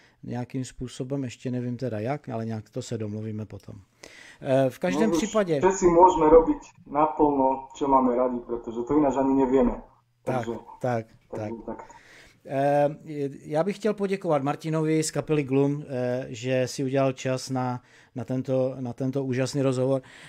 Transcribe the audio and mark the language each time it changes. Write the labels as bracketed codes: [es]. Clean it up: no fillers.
[cs] Nějakým způsobem, ještě nevím teda jak, ale nějak to se domluvíme potom. V No každém už případě. [sk] všetci môžeme robiť naplno, čo máme radi, pretože to ináč ani nevieme. Takže [cs] Tak, tak, tak. [sk] takto. [cs] Já bych chtěl poděkovat Martinovi z kapely Gloom, že si udělal čas na tento úžasný rozhovor.